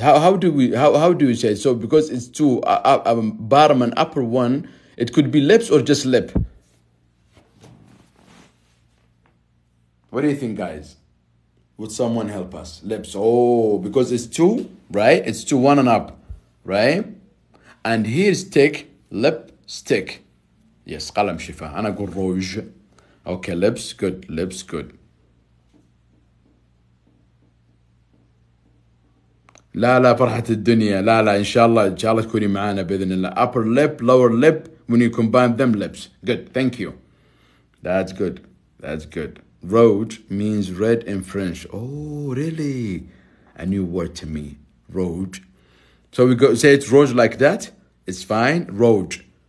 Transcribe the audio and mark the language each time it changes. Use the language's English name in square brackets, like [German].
[English] How do you say it? So because it's two bottom and upper one, it could be lips or just lip. What do you think, guys? Would someone help us? Lips. Oh, because it's two, right? It's two, one and up, right? And here's stick, lip, stick. [Arabic] Yes, قلم شفاه. أنا أقول روج. [English] Okay, lips, good. [Arabic] لا لا فرحة الدنيا. لا لا إن شاء الله إن شاء الله تكوني معانا بإذن الله. [English] upper lip lower lip when you combine them lips good thank you that's good that's good. Rouge means red in French. Oh really, a new word to me, rouge. So we go say it's rouge like that, it's fine, rouge.